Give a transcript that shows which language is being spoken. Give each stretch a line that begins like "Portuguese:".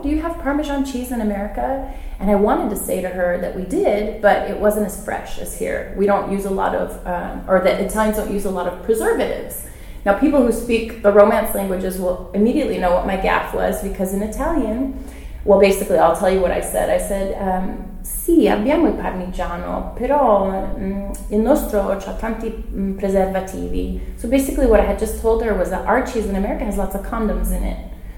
English: Do you have Parmesan cheese in America? And I wanted to say to her that we did, but it wasn't as fresh as here. We don't use a lot of, or that Italians don't use a lot of preservatives. Now, people who speak the Romance languages will immediately know what my gaffe was, because in Italian, well, basically, I'll tell you what I said.
Italian: I said, sì, abbiamo il parmigiano, però il nostro ha tanti preservativi.
English: So basically what I had just told her was that our cheese in America has lots of condoms in it.